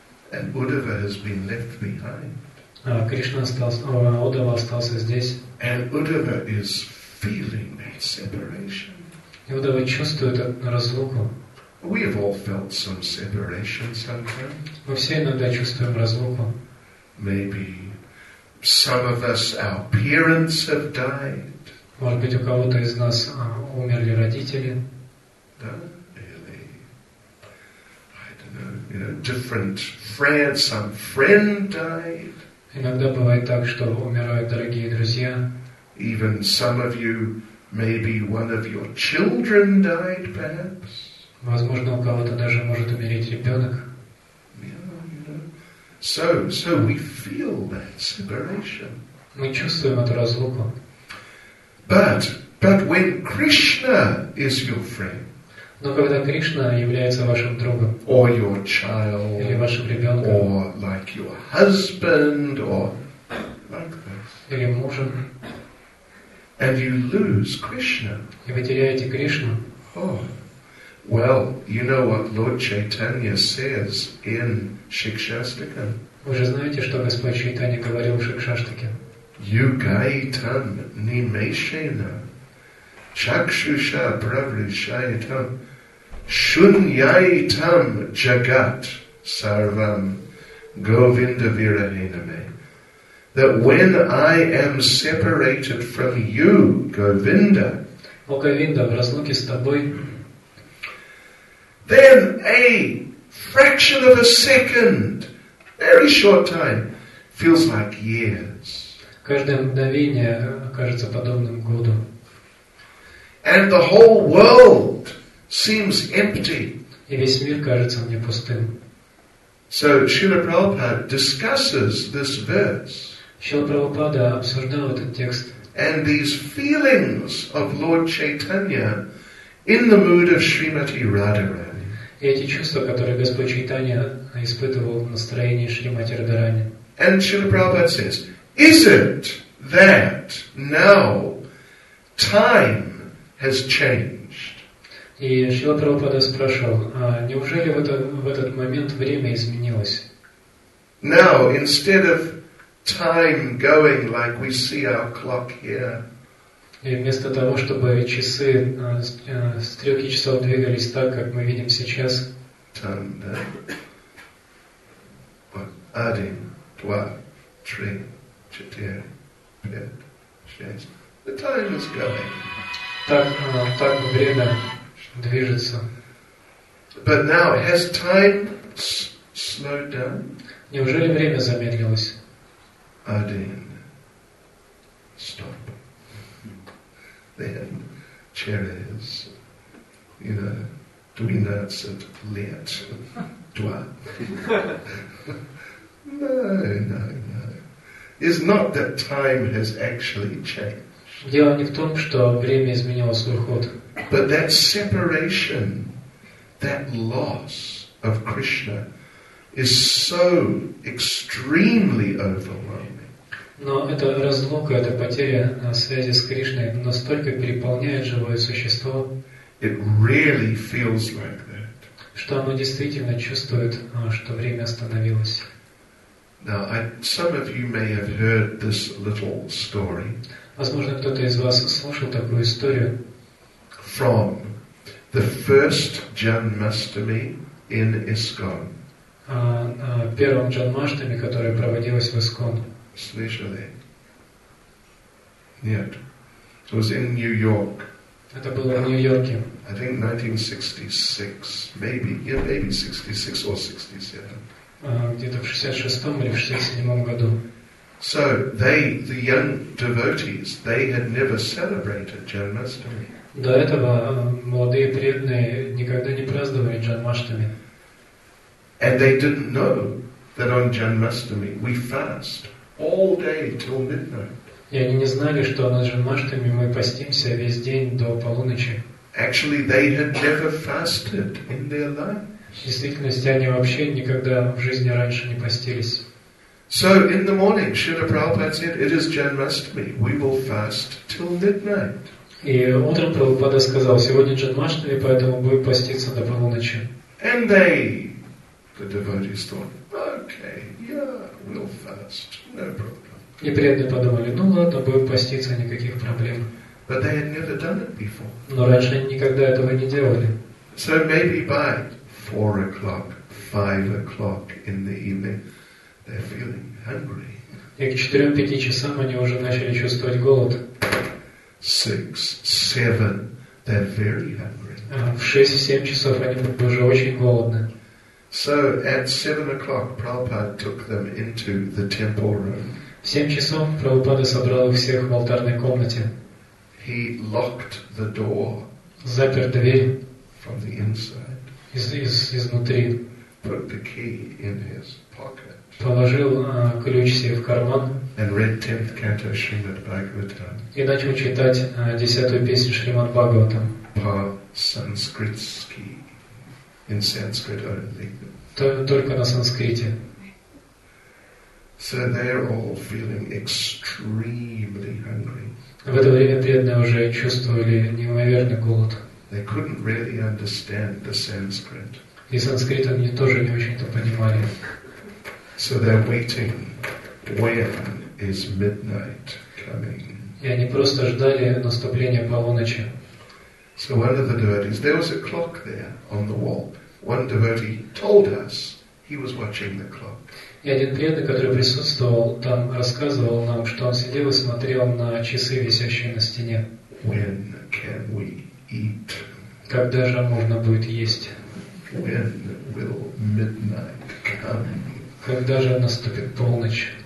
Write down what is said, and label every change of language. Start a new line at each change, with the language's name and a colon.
English: And Uddhava has been left behind.
Russian: А Кришна остался, Удава остался здесь.
English: And Uddhava is feeling that separation.
Russian: И Удава чувствует разлуку.
English: We have all felt some separation sometimes.
Russian: Мы все иногда чувствуем разлуку.
English: Maybe some of us, our parents have died.
Russian: Может быть, у кого-то из нас умерли родители. Да, или,
English: I don't know, you know, different friends, some friend died.
Russian: Иногда бывает так, что умирают дорогие друзья.
English: Even some of you, maybe one of your children died, perhaps.
Russian: Возможно, у кого-то даже может умереть ребенок.
English: Yeah, you know. So we feel that separation.
Russian: Мы чувствуем эту разлуку.
English: But when Krishna is your friend,
Russian: но когда Кришна является вашим другом,
English: or your child,
Russian: или вашим ребенком,
English: or like your husband, or like this,
Russian: или мужем,
English: and you lose Krishna,
Russian: и вы теряете Кришну.
English: Oh, well, you know what Lord Chaitanya says in Shikshastakam.
Russian: Вы же знаете, что Господь Чайтанья говорил в Шикшаштаке.
Sanskrit: Югайтан нимешена чакшуша правришайтам шуньяйтам джагат сарвам говинда вираненаме.
English: That when I am separated from you, Govinda,
Russian: о Говинда, в разлуке с тобой,
English: then a fraction of a second, very short time, feels like years.
Russian: Каждое мгновение кажется подобным году.
English: And the whole world seems empty.
Russian: И весь мир кажется мне пустым.
English: So Srila Prabhupada discusses this verse.
Russian: Шрила Прабхупада обсуждал этот текст.
English: And these feelings of Lord Chaitanya in the mood of Srimati Radharani.
Russian: И эти чувства, которые Господь Чайтанья испытывал в настроении Шримати Радхарани.
English: And Srila Prabhupada says, is it that now time has changed?
Russian: И Шрила Прабхупада спрашивал, а неужели в этот момент время изменилось?
English: Now, instead of time going like we see our clock here,
Russian: и вместо того, чтобы часы, стрелки часов двигались так, как мы видим сейчас,
English: time, да?
Russian: Один, два, три.
English: The time is going.
Russian: Так время движется.
English: But now has time slowed down?
Russian: Неужели время замедлилось? Один.
English: Stop. Then cherries. You know,
Russian: двенадцать
English: and
Russian: лет. Два.
English: No. Is not that time has actually changed.
Russian: Дело не в том, что время изменило свой ход.
English: But that separation, that loss of Krishna is so extremely overwhelming.
Russian: Но эта разлука, эта потеря связи с Кришной настолько переполняет живое существо.
English: It really feels like that.
Russian: Что оно действительно чувствует, что время остановилось.
English: Now, some of you may have heard this little story.
Russian: Возможно, кто-то из вас слышал такую историю.
English: From the first Janmashtami in ISKCON.
Russian: Первом Janmashtami, которое проводилось в ISKCON. Слышали? Нет.
English: It was in New York.
Russian: Это было в Нью-Йорке.
English: I think 1966, maybe, yeah, maybe 66 or 67.
Russian: Где-то в 66-м или в 67-м году.
English: So they, the young devotees, they had never celebrated Janmashtami.
Russian: До этого молодые преданные никогда не праздновали Джанмаштами.
English: And they didn't know that on Janmashtami we fast all day till midnight.
Russian: И они не знали, что на Джанмаштами мы постимся весь день до полуночи.
English: Actually, they had never fasted in their lives.
Russian: В действительности, они вообще никогда в жизни раньше не постились.
English: So in the morning, Srila Prabhupada said, "It is Janmashtami. We will fast till midnight."
Russian: И утром Прабхупада сказал, сегодня Джанмаштами, поэтому будем поститься до полуночи.
English: And they, the devotees thought, okay, yeah, we'll fast, no problem.
Russian: И преданные подумали, ну ладно, будем поститься, никаких проблем.
English: But they had never done it before.
Russian: Но раньше они никогда этого не делали.
English: So maybe by 4 o'clock, 5 o'clock in the evening, they're feeling hungry.
Russian: И к 4-5 часам они уже начали чувствовать голод.
English: 6, 7, they're very hungry.
Russian: В 6-7 часов они уже очень голодны.
English: So at 7 o'clock, Prabhupada took them into the temple room.
Russian: В 7 часов Прабхупада собрал их всех в алтарной комнате.
English: He locked the door.
Russian: Запер дверь.
English: From the inside.
Russian: Изнутри.
English: Put the key in his pocket.
Russian: Положил ключ себе в карман.
English: And read 10th canto Srimad Bhagavatam.
Russian: И начал читать 10-ю песню Шримад Бхагаватам. По санскритски.
English: In Sanskrit only.
Russian: Только на санскрите.
English: So they're all feeling extremely hungry.
Russian: В это время преданные уже чувствовали неимоверный голод.
English: They couldn't really understand the Sanskrit.
Russian: И санскрит они тоже не очень-то понимали.
English: So they're waiting. When is midnight coming?
Russian: И они просто ждали наступления полуночи.
English: So one of the devotees, there was a clock there on the wall. One devotee told us he was watching the clock.
Russian: И один преданный, который присутствовал там, рассказывал нам, что он сидел и смотрел на часы, висящие на стене.
English: When can we eat?
Russian: Когда же можно будет есть?
English: When will midnight come?
Russian: Когда же наступит полночь?